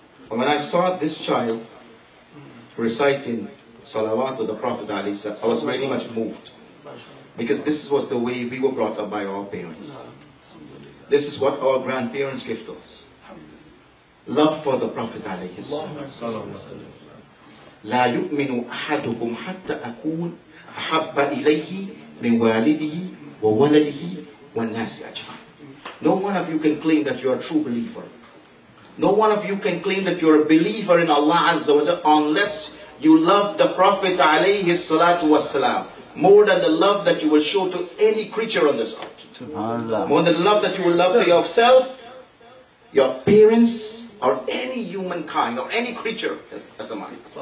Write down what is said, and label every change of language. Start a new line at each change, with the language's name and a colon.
English: And when I saw this child reciting Salawat to the Prophet, I was very much moved. Because this was the way we were brought up by our parents. This is what our grandparents gave to us. Love for the Prophet.
Arabic: لا يؤمن أحدكم حتى أكون أحب إليه من والده وولده والناس أجمعين.
English: No one of you can claim that you are a true believer. No one of you can claim that you are a believer in Allah Azza wa Jalla unless you love the Prophet alayhi salatu wasalam more than the love that you will show to any creature on this earth. More than the love that you will love to yourself, your parents, or any humankind, or any creature, as a man.